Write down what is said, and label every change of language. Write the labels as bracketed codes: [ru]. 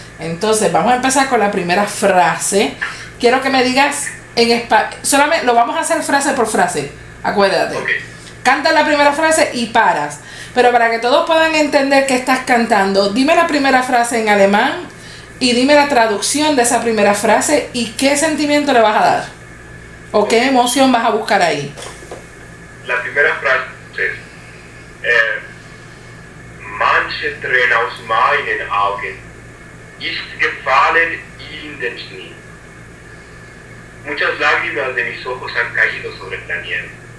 [es] Entonces vamos a empezar con la primera frase. Quiero que me digas en español, solamente lo vamos a hacer frase por frase, acuérdate. Okay. Canta la primera frase y paras. Pero para que todos puedan entender qué estás cantando, dime la primera frase en alemán y dime la traducción de esa primera frase y qué sentimiento le vas a dar. O qué emoción vas a buscar ahí. La primera frase es: [de] Manche Tränen aus meinen Augen ist gefallen in den Schnee. [es] Muchas lágrimas de mis ojos han caído sobre la nieve.